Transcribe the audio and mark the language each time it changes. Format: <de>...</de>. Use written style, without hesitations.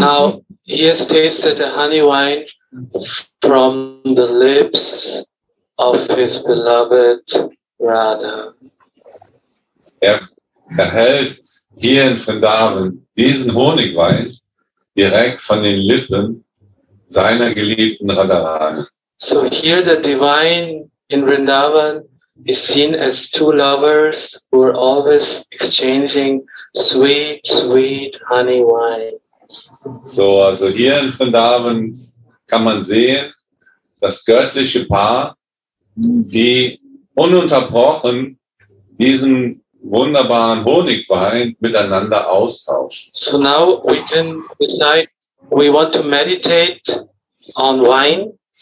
<en>Now he has tasted the honey wine from the lips of his beloved Radha.</en> <de>Er erhält hier in Vrindavan diesen Honigwein direkt von den Lippen seiner geliebten Radharani.</de> <en>So here the divine in Vrindavan is seen as two lovers who are always exchanging sweet, sweet honey wine.</en> <de>So, also hier in Vrindavan kann man sehen, das göttliche Paar, die ununterbrochen diesen wunderbaren Honigwein miteinander austauschen.</de> <en>So now we can decide, we want to meditate on wine.</en>